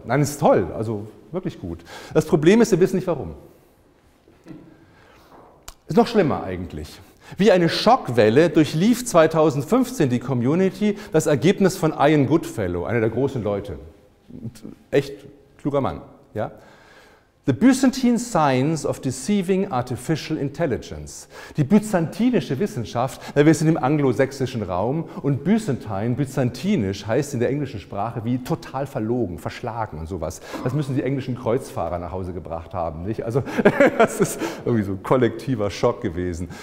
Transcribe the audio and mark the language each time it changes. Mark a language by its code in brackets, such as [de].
[de] Nein, es ist toll, also wirklich gut. Das Problem ist, wir wissen nicht warum. Ist noch schlimmer eigentlich. Wie eine Schockwelle durchlief 2015 die Community das Ergebnis von Ian Goodfellow, einer der großen Leute. Echt kluger Mann, ja. [en] The Byzantine Science of Deceiving Artificial Intelligence. [de] Die byzantinische Wissenschaft, wir sind im anglosächsischen Raum und byzantinisch heißt in der englischen Sprache wie total verlogen, verschlagen und sowas. Das müssen die englischen Kreuzfahrer nach Hause gebracht haben, nicht? Also, das ist irgendwie so ein kollektiver Schock gewesen.